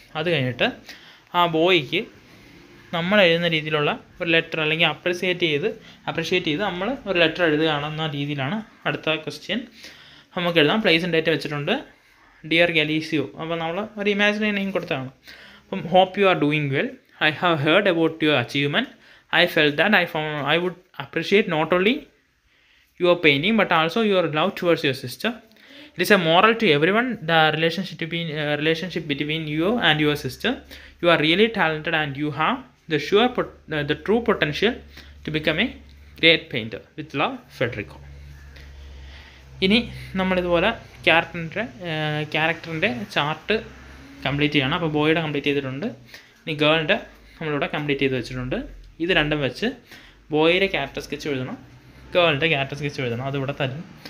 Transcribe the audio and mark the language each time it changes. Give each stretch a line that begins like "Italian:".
Malayalam: അത് കഴിഞ്ഞിട്ട് ആ ബോയ്ക്ക് നമ്മൾ എഴുതുന്ന രീതിയിലുള്ള ഒരു ലെറ്റർ അല്ലെങ്കിൽ അപ്രിഷിയേറ്റ് ചെയ്ത് നമ്മൾ ഒരു ലെറ്റർ എഴുതുകയാണെന്ന രീതിയിലാണ് അടുത്ത ക്വസ്റ്റ്യൻ നമുക്ക് എഴുതാം. പ്ലേസ് ആൻഡ് ഡേറ്റ് വെച്ചിട്ടുണ്ട്, ഡിയർ ഗലീസിയോ. അപ്പോൾ നമ്മൾ ഒരു ഇമാജിനേഷനെയും കൊടുത്താണ്.
English: അപ്പം hope you are doing well, I have heard about your achievement, I felt that I would appreciate not only your painting but also your love towards your sister. It is a moral to everyone, the relationship between you and your sister. You are really talented and you have the the true potential to become a great painter. With love, Federico.
Malayalam: ഇനി നമ്മൾ ഇതുപോലെ ക്യാരക്ടറിൻ്റെ chart complete ചെയ്യണം. അപ്പോൾ ബോയുടെ complete ചെയ്തിട്ടുണ്ട്, ഇനി ഗേളിൻ്റെ നമ്മളിവിടെ complete ചെയ്ത് വെച്ചിട്ടുണ്ട്. ഇത് രണ്ടും വെച്ച് ബോയുടെ ക്യാരക്ടർ സ്കെച്ച് എഴുതണം, ഗേളിൻ്റെ ക്യാരക്ടർ സ്കെച്ച് എഴുതണം. അതിവിടെ തരും.